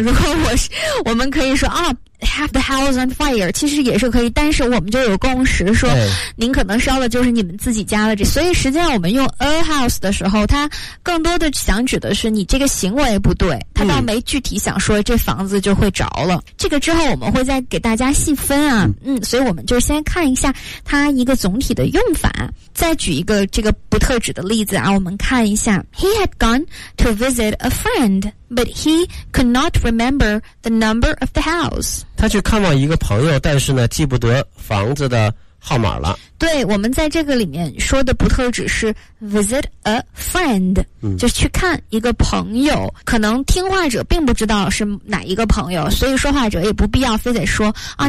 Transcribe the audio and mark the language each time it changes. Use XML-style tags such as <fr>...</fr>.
<zh>如果我们可以说啊 ，</zh> <en>have the house on fire，</en> <zh>其实也是可以，但是我们就有共识说，您可能烧的就是你们自己家的这，所以实际上我们用 a house 的时候，它更多的想指的是你这个行为不对，它倒没具体想说这房子就会着了，嗯。这个之后我们会再给大家细分啊，嗯，所以我们就先看一下它一个总体的用法。再举一个这个不特指的例子啊，我们看一下。</zh> <en>He had gone to visit a friend, but he could not remember the number of the house.</en> <zh>他去看望一个朋友，但是呢，记不得房子的号码了。对，我们在这个里面说的不特指是</zh> <en>visit a friend，</en> <zh>嗯，就是去看一个朋友，可能听话者并不知道是哪一个朋友，所以说话者也不必要非得说啊，</zh>